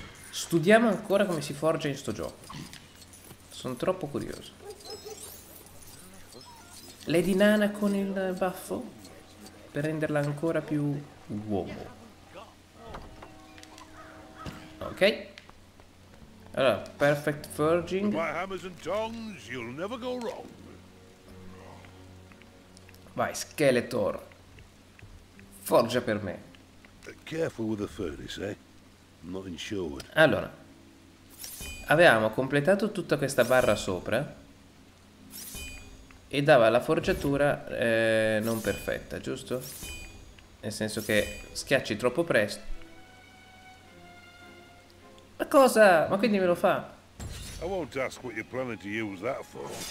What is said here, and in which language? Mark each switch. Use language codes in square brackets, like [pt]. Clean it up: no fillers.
[it] Studiamo ancora come si forgia in sto gioco. Sono troppo curioso. Lady Nana con il baffo? Per renderla ancora più uomo. Ok. Allora, perfect forging. [en] My hammers and tongs, you'll never go wrong. [it] Vai, Skeletor. Forgia per me. [en] Careful with the furnace, eh? Not insured. [it] Allora. Avevamo completato tutta questa barra sopra. E dava la forgiatura non perfetta, giusto? Nel senso che schiacci troppo presto. Ma cosa? Ma quindi me lo fa? [en] I won't ask what you're planning to use that for.